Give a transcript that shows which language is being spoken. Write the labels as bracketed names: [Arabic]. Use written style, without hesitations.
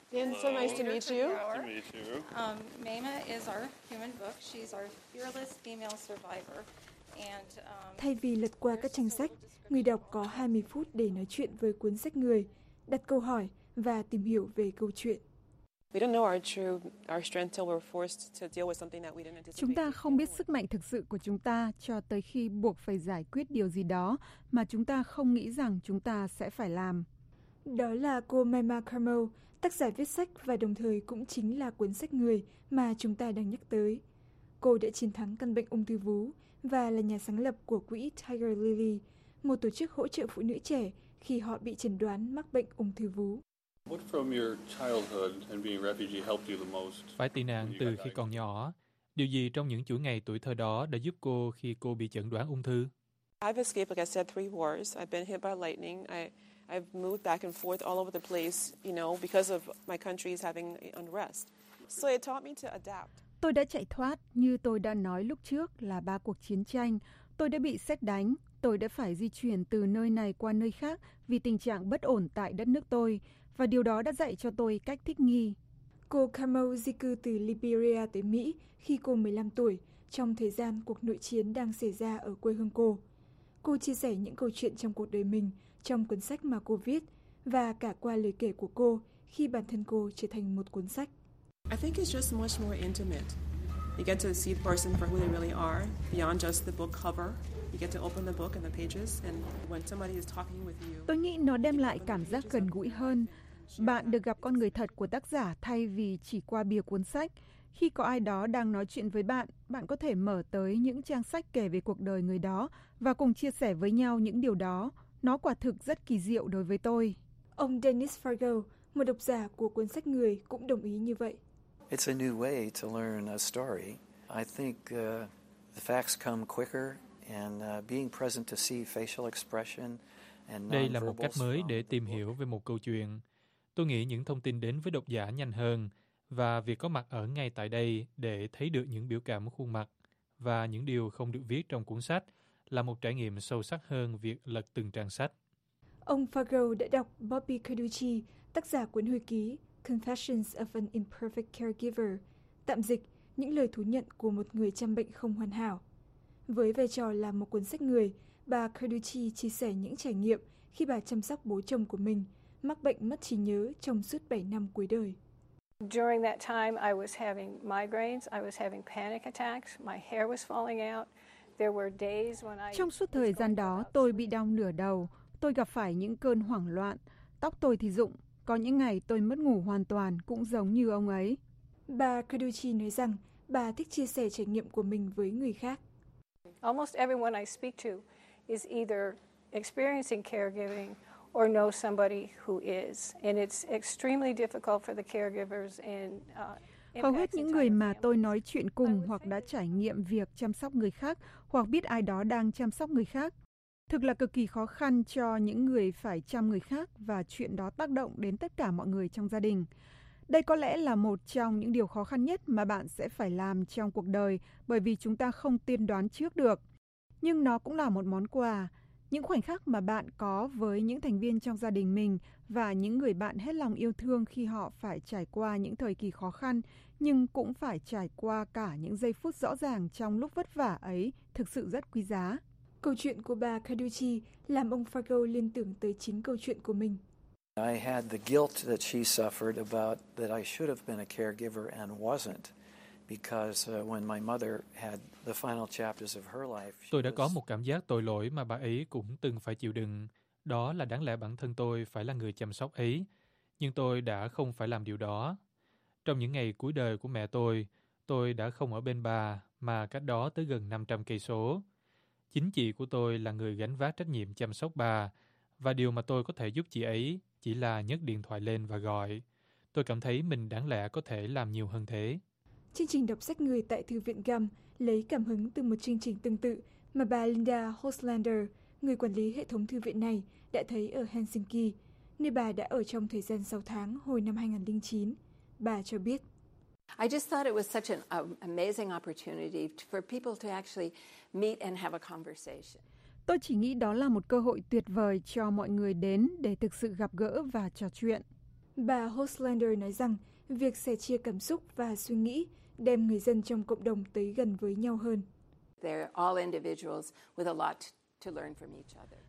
[English] Dan, so nice to meet you. To meet you. Mena is our human book. She's our fearless female survivor. And [Vietnamese] thay vì lật qua các trang sách, người đọc có 20 phút để nói chuyện với cuốn sách người, đặt câu hỏi và tìm hiểu về câu chuyện. [English] We don't know our true our strength till we're forced to deal with something that we didn't anticipate. [Vietnamese] Chúng ta không biết sức mạnh thực sự của chúng ta cho tới khi buộc phải giải quyết điều gì đó mà chúng ta không nghĩ rằng chúng ta sẽ phải làm. Đó là cô Maima Carmo, tác giả viết sách và đồng thời cũng chính là cuốn sách người mà chúng ta đang nhắc tới. Cô đã chiến thắng căn bệnh ung thư vú và là nhà sáng lập của quỹ Tiger Lily, một tổ chức hỗ trợ phụ nữ trẻ khi họ bị chẩn đoán mắc bệnh ung thư vú. Phải tị nạn từ khi còn nhỏ, điều gì trong những chuỗi ngày tuổi thơ đó đã giúp cô khi cô bị chẩn đoán ung thư? [English] I've escaped, like I said, three wars. I've been hit by lightning. I've moved back and forth all over the place, you know, because of my country's having unrest. So it taught me to adapt. [Vietnamese] Tôi đã chạy thoát, như tôi đã nói lúc trước, là ba cuộc chiến tranh. Tôi đã bị sét đánh. Tôi đã phải di chuyển từ nơi này qua nơi khác vì tình trạng bất ổn tại đất nước tôi. Và điều đó đã dạy cho tôi cách thích nghi. Cô Kamo di cư từ Liberia tới Mỹ khi cô 15 tuổi, trong thời gian cuộc nội chiến đang xảy ra ở quê hương cô. Cô chia sẻ những câu chuyện trong cuộc đời mình, trong cuốn sách mà cô viết, và cả qua lời kể của cô khi bản thân cô trở thành một cuốn sách. [English] I think it's just much more intimate. You get to see the person for who they really are, beyond just the book cover. You get to open the book and the pages, and when somebody is talking with you. [Vietnamese] Tôi nghĩ nó đem lại cảm giác gần gũi hơn. Bạn được gặp con người thật của tác giả thay vì chỉ qua bìa cuốn sách. Khi có ai đó đang nói chuyện với bạn, bạn có thể mở tới những trang sách kể về cuộc đời người đó và cùng chia sẻ với nhau những điều đó. Nó quả thực rất kỳ diệu đối với tôi. Ông Dennis Fargo, một độc giả của cuốn sách Người, cũng đồng ý như vậy. [English] It's a new way to learn a story. I think the facts come quicker and being present to see facial expression and [Vietnamese] đây là một cách mới để tìm hiểu về một câu chuyện. Tôi nghĩ những thông tin đến với độc giả nhanh hơn và việc có mặt ở ngay tại đây để thấy được những biểu cảm khuôn mặt và những điều không được viết trong cuốn sách là một trải nghiệm sâu sắc hơn việc lật từng trang sách. Ông Fargo đã đọc Bobby Carducci, tác giả cuốn hồi ký Confessions of an Imperfect Caregiver, tạm dịch những lời thú nhận của một người chăm bệnh không hoàn hảo. Với vai trò là một cuốn sách người, bà Carducci chia sẻ những trải nghiệm khi bà chăm sóc bố chồng của mình mắc bệnh mất trí nhớ trong suốt 7 năm cuối đời. [English] During that time I was having migraines, I was having panic attacks, my hair was falling out. There were days when I [Vietnamese] trong suốt thời gian đó tôi bị đau nửa đầu, tôi gặp phải những cơn hoảng loạn, tóc tôi thì rụng, có những ngày tôi mất ngủ hoàn toàn cũng giống như ông ấy. Bà Carducci nói rằng bà thích chia sẻ trải nghiệm của mình với người khác. [English] Almost everyone I speak to is either experiencing caregiving or know somebody who is, and it's extremely difficult for the caregivers and [Vietnamese] hầu hết những người mà tôi nói chuyện cùng hoặc đã trải nghiệm việc chăm sóc người khác hoặc biết ai đó đang chăm sóc người khác. Thực là cực kỳ khó khăn cho những người phải chăm người khác và chuyện đó tác động đến tất cả mọi người trong gia đình. Đây có lẽ là một trong những điều khó khăn nhất mà bạn sẽ phải làm trong cuộc đời bởi vì chúng ta không tiên đoán trước được. Nhưng nó cũng là một món quà. Những khoảnh khắc mà bạn có với những thành viên trong gia đình mình và những người bạn hết lòng yêu thương khi họ phải trải qua những thời kỳ khó khăn nhưng cũng phải trải qua cả những giây phút rõ ràng trong lúc vất vả ấy thực sự rất quý giá. Câu chuyện của bà Carducci làm ông Fargo liên tưởng tới chính câu chuyện của mình. [English] I had the guilt that she suffered about that I should have been a caregiver and wasn't because when my mother had the final chapters of her life. [Vietnamese] Tôi đã có một cảm giác tội lỗi mà bà ấy cũng từng phải chịu đựng, đó là đáng lẽ bản thân tôi phải là người chăm sóc ấy, nhưng tôi đã không phải làm điều đó. Trong những ngày cuối đời của mẹ tôi đã không ở bên bà mà cách đó tới gần 500 cây số. Chính chị của tôi là người gánh vác trách nhiệm chăm sóc bà, và điều mà tôi có thể giúp chị ấy chỉ là nhấc điện thoại lên và gọi. Tôi cảm thấy mình đáng lẽ có thể làm nhiều hơn thế. Chương trình đọc sách người tại Thư viện GAM lấy cảm hứng từ một chương trình tương tự mà bà Linda Hostlander, người quản lý hệ thống thư viện này, đã thấy ở Helsinki, nơi bà đã ở trong thời gian 6 tháng hồi năm 2009. Bà cho biết. [English] I just thought it was such an amazing opportunity for people to actually meet and have a conversation. [Vietnamese] Tôi chỉ nghĩ đó là một cơ hội tuyệt vời cho mọi người đến để thực sự gặp gỡ và trò chuyện. Bà Hostlander nói rằng việc sẻ chia cảm xúc và suy nghĩ đem người dân trong cộng đồng tới gần với nhau hơn. [English] They're all individuals with a lot to learn from each other.